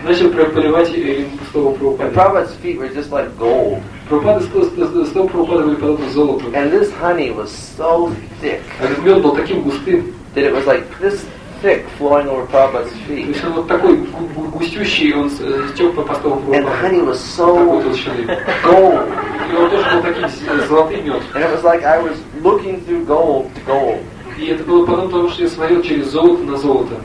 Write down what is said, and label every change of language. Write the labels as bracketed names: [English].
[Russian] Начал проливать им стопы Прабхупады. [English] And Prabhupada's feet were just like gold. And this honey was so thick. [Russian] Этот мед был таким густым. [English] That it was like this thick flowing over Prabhupada's feet. [Russian] То есть он вот такой густющий, он стек по стопам Прабхупады. [English] And the honey was so gold. [Russian] И он тоже был таким золотым мед. [English] And it was like I was looking through gold to gold. [Russian] И это было потому что я смотрел через золото на золото.